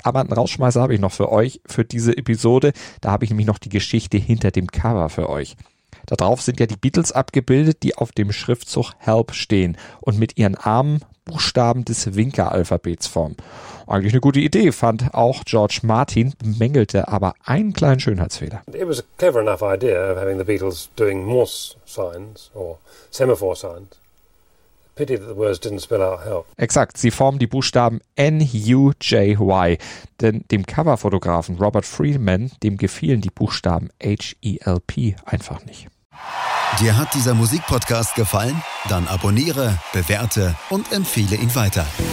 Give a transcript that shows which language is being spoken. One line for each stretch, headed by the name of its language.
German: Aber einen Rausschmeißer habe ich noch für euch, für diese Episode. Da habe ich nämlich noch die Geschichte hinter dem Cover für euch. Darauf sind ja die Beatles abgebildet, die auf dem Schriftzug Help stehen und mit ihren Armen Buchstaben des Winker-Alphabets formen. Eigentlich eine gute Idee, fand auch George Martin, bemängelte aber einen kleinen Schönheitsfehler.
English: It was a clever enough idea of having the Beatles doing Morse signs or semaphore signs. Pity that the words didn't spell out help.
German: Exakt, sie formen die Buchstaben N-U-J-Y, denn dem Coverfotografen Robert Freeman, dem gefielen die Buchstaben H-E-L-P einfach nicht. Dir hat dieser Musikpodcast gefallen? Dann abonniere, bewerte und empfehle ihn weiter.